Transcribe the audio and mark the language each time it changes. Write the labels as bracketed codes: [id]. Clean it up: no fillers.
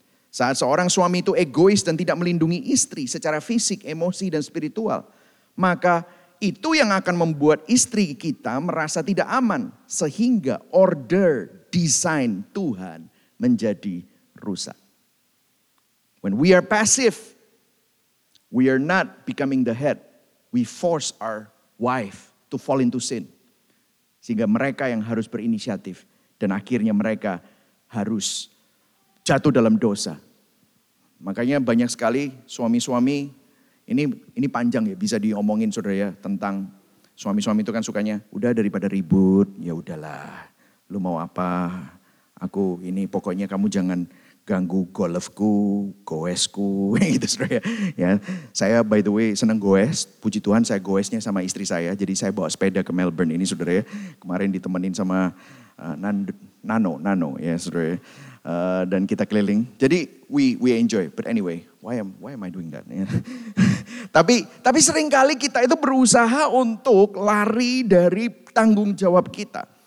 [id] Saat seorang suami itu egois dan tidak melindungi istri secara fisik, emosi, dan spiritual, maka itu yang akan membuat istri kita merasa tidak aman, sehingga order, design Tuhan menjadi rusak. [en] When we are passive, we are not becoming the head. We force our wife to fall into sin. [id] Sehingga mereka yang harus berinisiatif, dan akhirnya mereka harus jatuh dalam dosa. Makanya banyak sekali suami-suami, ini panjang ya bisa diomongin saudara ya, tentang suami-suami itu kan sukanya, udah daripada ribut, ya udahlah, lu mau apa, aku ini pokoknya kamu jangan ganggu golfku, goesku, gitu saudara ya. Ya. Saya [en] by the way [id] senang goes, puji Tuhan saya goesnya sama istri saya, jadi saya bawa sepeda ke Melbourne ini saudara ya, kemarin ditemenin sama Nano ya saudara ya. Dan kita keliling. Jadi [en] we enjoy. But anyway, why am I doing that? [id] tapi seringkali kita itu berusaha untuk lari dari tanggung jawab kita.